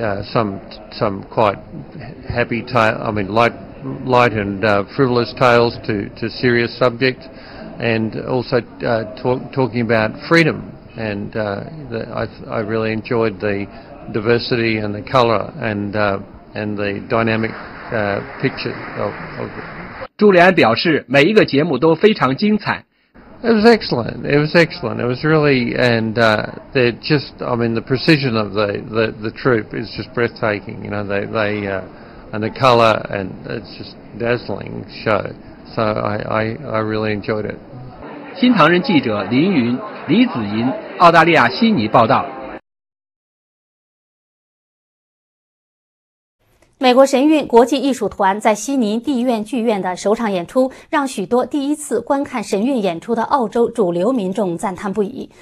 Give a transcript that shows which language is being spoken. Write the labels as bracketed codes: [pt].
[en] some quite happy tale, I mean light and frivolous tales to serious subject, and also talking about freedom. And I really enjoyed the diversity and the color and the dynamic picture of it. [zh] 朱利安表示，每一个节目都非常精彩。 [en] It was excellent. It was excellent. It was really, and they're just, I mean, the precision of the troupe is just breathtaking. You know, and the color, and it's just a dazzling show. So I really enjoyed it. [zh] 新唐人记者林云、李子银，澳大利亚悉尼报道。美国神韵国际艺术团在悉尼地院剧院的首场演出，让许多第一次观看神韵演出的澳洲主流民众赞叹不已。